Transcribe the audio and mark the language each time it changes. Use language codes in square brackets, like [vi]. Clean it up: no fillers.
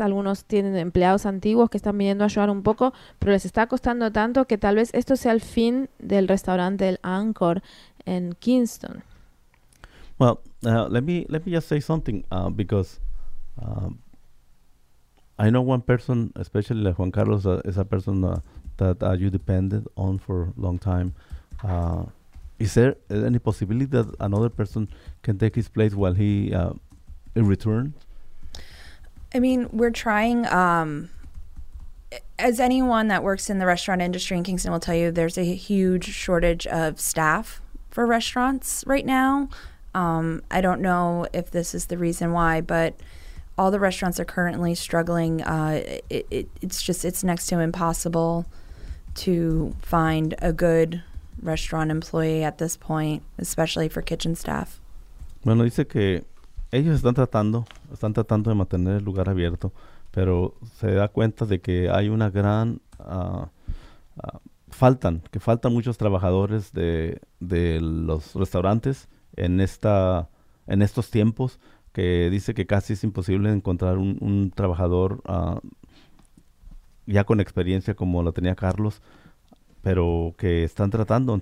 [es] Algunos tienen empleados antiguos que están viniendo a ayudar un poco, pero les está costando tanto que tal vez esto sea el fin del restaurante El Anchor en Kingston. [en] Well, let me just say something because I know one person, especially like Juan Carlos, is a person that you depended on for a long time. Is there any possibility that another person can take his place while he returns? I mean, we're trying. As anyone that works in the restaurant industry in Kingston will tell you, there's a huge shortage of staff for restaurants right now. I don't know if this is the reason why, but all the restaurants are currently struggling. It's next to impossible to find a good restaurant employee at this point, especially for kitchen staff. [es] Bueno, dice que ellos están tratando de mantener el lugar abierto, pero se da cuenta de que hay una gran faltan muchos trabajadores de los restaurantes en estos tiempos, que dice que casi es imposible encontrar un trabajador ya con experiencia como la tenía Carlos, pero que están tratando.